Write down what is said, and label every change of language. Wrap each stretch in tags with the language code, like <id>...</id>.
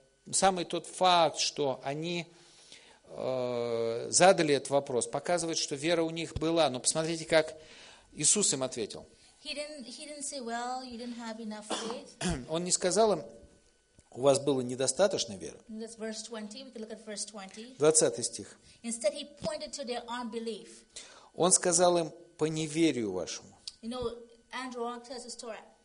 <ru>Самый тот факт, что они задали этот вопрос, показывает, что вера у них была. Но посмотрите, как Иисус им ответил.</ru> <en>He didn't say, well, you didn't have enough faith.</en> <ru>Он не сказал им, у вас было недостаточно веры.</ru> <en>That's verse 20. We can look at verse 20.</en> <ru>20 стих.</ru> <en>Instead, he pointed to their unbelief.</en> <ru>Он сказал им по неверию вашему.</ru> <en>You know, Andrew Ock tells a story.</en>